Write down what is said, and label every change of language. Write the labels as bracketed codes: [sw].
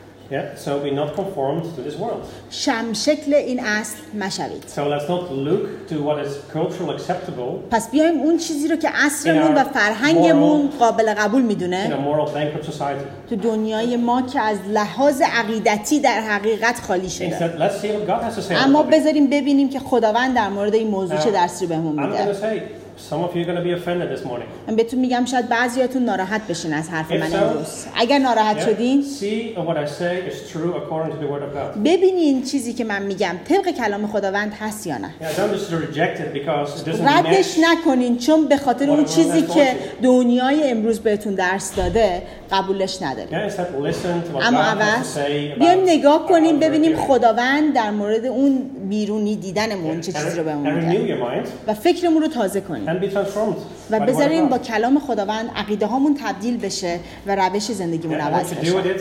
[en] Yeah, so be not conformed to this world. [fa] شم شکل این اصل مشوید. [en] So let's not look to what is culturally acceptable. [fa] پس بیایم اون چیزی رو که عصرمون و فرهنگمون قابل قبول میدونه. [en] In a moral bankrupt society. [fa] تو دنیای ما که از لحاظ عقیدتی در حقیقت خالی شده. [en] Instead, let's see what God has to say. [fa] اما بذاریم ببینیم که خداوند در مورد این موضوع چه درسی رو بهمون میده. [en] Some of you are going to be offended this morning. [fa] من بهتون میگم شاید بعضیاتون ناراحت بشین از حرف من امروز. اگر ناراحت شدین، [en] see what I say is true according to the word of God. [fa] ببینین چیزی که من میگم طبق کلام خداوند هست یا نه. [en] Yeah, don't just reject it because it doesn't match. [fa] ردش نکنین چون به خاطر اون چیزی که دنیای امروز بهتون درس داده قبولش نداره. اما عوض بیایم نگاه کنیم ببینیم خداوند در مورد اون بیرونی دیدنمون چه چیزی رو بهمون میگه و فکرمون رو تازه کنیم و بذاریم با کلام خداوند عقیده هامون تبدیل بشه و روش زندگیمون عوض بشه.